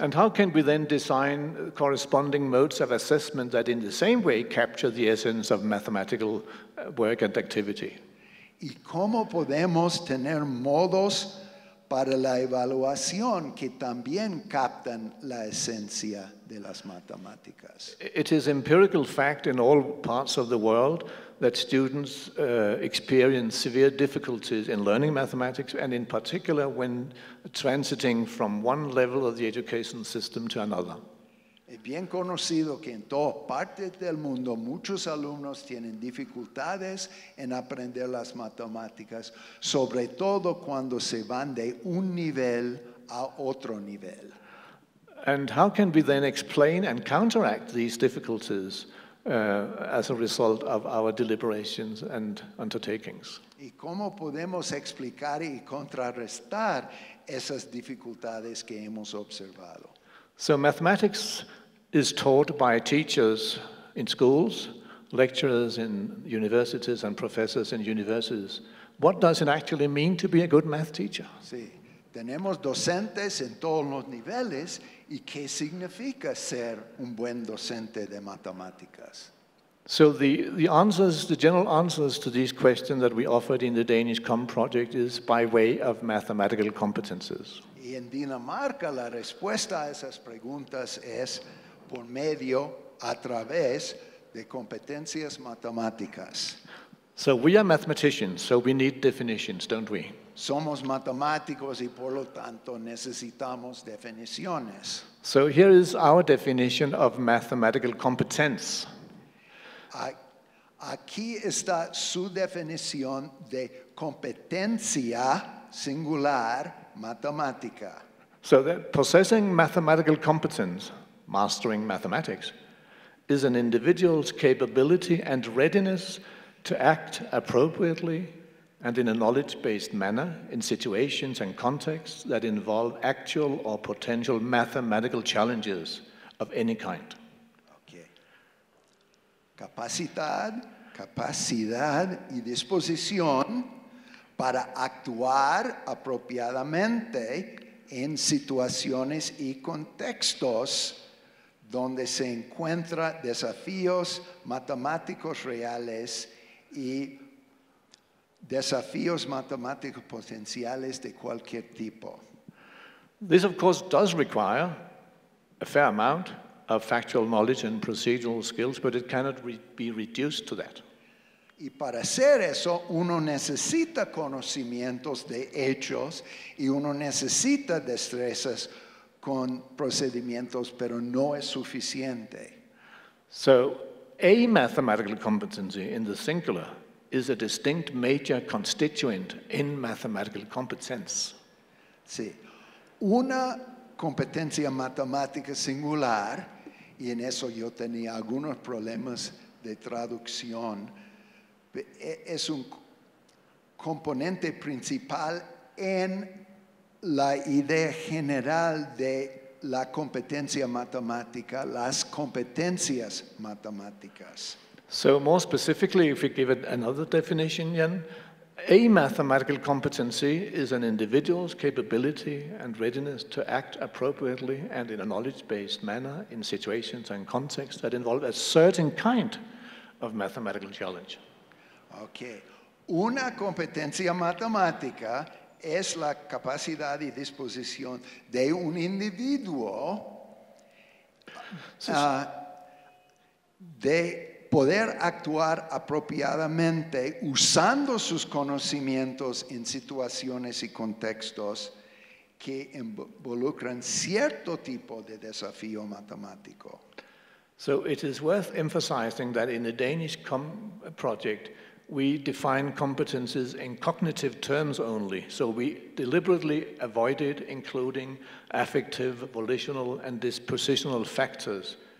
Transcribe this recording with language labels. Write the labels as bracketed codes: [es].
[en] And how can we then design corresponding modes of assessment that in the same way capture the essence of mathematical work and activity? [es] ¿Y cómo podemos tener modos para la evaluación que también captan la esencia de las matemáticas? [en] It is empirical fact in all parts of the world that students experience severe difficulties in learning mathematics, and in particular when transiting from one level of the education system to another. [es] Es bien conocido que en todas partes del mundo muchos alumnos tienen dificultades en aprender las matemáticas, sobre todo cuando se van de un nivel a otro nivel. [en] And how can we then explain and counteract these difficulties as a result of our deliberations and undertakings? [es] ¿Y cómo podemos explicar y contrarrestar esas dificultades que hemos observado? [en] So mathematics is taught by teachers in schools, lecturers in universities, and professors in universities. What does it actually mean to be a good math teacher? [es] Sí, tenemos docentes en todos los niveles. ¿Y qué significa ser un buen docente de matemáticas? [en] So the answers, the general answers to these questions that we offered in the Danish COM project is by way of mathematical competences. [es] Y en Dinamarca la respuesta a esas preguntas es por medio, a través de competencias matemáticas. [en] So we are mathematicians, so we need definitions, don't we? [es] Somos matemáticos y por lo tanto necesitamos definiciones. [en] So here is our definition of mathematical competence. [es] Aquí está su definición de competencia singular matemática. [en] So that possessing mathematical competence, mastering mathematics, is an individual's capability and readiness to act appropriately and in a knowledge-based manner in situations and contexts that involve actual or potential mathematical challenges of any kind. Okay. [es] Capacidad y disposición para actuar apropiadamente en situaciones y contextos donde se encuentra desafíos matemáticos reales y desafíos matemáticos potenciales de cualquier tipo. [en] This, of course, does require a fair amount of factual knowledge and procedural skills, but it cannot be reduced to that. [es] Y para hacer eso, uno necesita conocimientos de hechos y uno necesita destrezas con procedimientos, pero no es suficiente. [en] So, a mathematical competency in the singular is a distinct major constituent in mathematical competence. [es] Sí. Una competencia matemática singular, y en eso yo tenía algunos problemas de traducción, es un componente principal en la idea general de la competencia matemática, las competencias matemáticas. [en] So more specifically, if we give it another definition, Jan, a mathematical competency is an individual's capability and readiness to act appropriately and in a knowledge-based manner in situations and contexts that involve a certain kind of mathematical challenge. Okay. [es] Una competencia matemática es la capacidad y disposición de un individuo de poder actuar apropiadamente usando sus conocimientos en situaciones y contextos que involucran cierto tipo de desafío matemático. [en] So it is worth emphasizing that in the Danish project, we define competences in cognitive terms only. So we deliberately avoided including affective, volitional, and dispositional factors.